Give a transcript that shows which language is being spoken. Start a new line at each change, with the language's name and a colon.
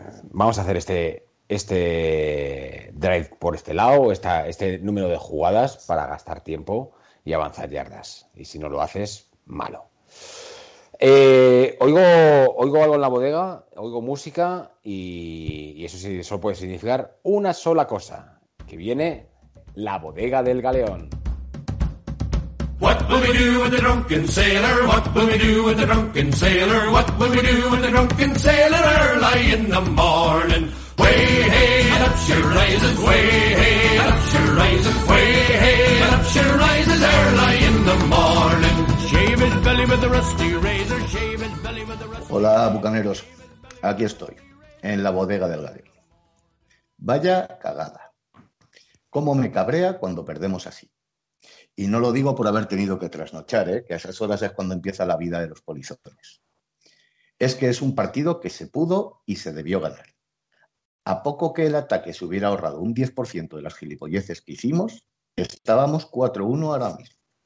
Spanish: vamos a hacer este drive por este lado, este número de jugadas para gastar tiempo y avanzar yardas. Y si no lo haces, malo. Oigo algo en la bodega, oigo música y eso sí, solo puede significar una sola cosa, que viene la bodega del galeón.
English: What will we do with the drunken sailor? What will we do with the drunken sailor? What will we do with the drunken sailor early in the morning? Way, hey, and up she rises. Way, hey, and up she rises. Way, hey, and up she rises early in the morning. Shave his belly with a rusty razor. Shave his belly with a rusty...
Spanish: Hola, bucaneros. Aquí estoy, en la bodega del galeón. Vaya cagada. Cómo me cabrea cuando perdemos así. Y no lo digo por haber tenido que trasnochar, ¿eh? Que a esas horas es cuando empieza la vida de los polizotones. Es que es un partido que se pudo y se debió ganar. A poco que el ataque se hubiera ahorrado un 10% de las gilipolleces que hicimos, estábamos 4-1 ahora mismo.